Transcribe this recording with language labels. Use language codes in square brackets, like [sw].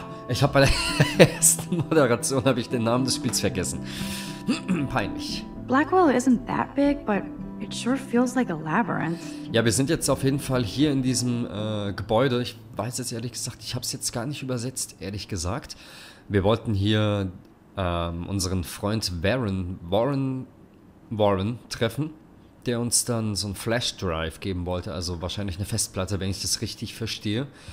[de] Ich habe bei der ersten Moderation habe ich den Namen des Spiels vergessen. Peinlich. [en] Blackwell isn't that big, but it sure feels like a labyrinth. [de] Ja, wir sind jetzt auf jeden Fall hier in diesem Gebäude. Ich weiß jetzt ehrlich gesagt, ich habe es jetzt gar nicht übersetzt, ehrlich gesagt. Wir wollten hier unseren Freund Warren treffen, der uns dann so einen Flash Drive geben wollte, also wahrscheinlich eine Festplatte, wenn ich das richtig verstehe.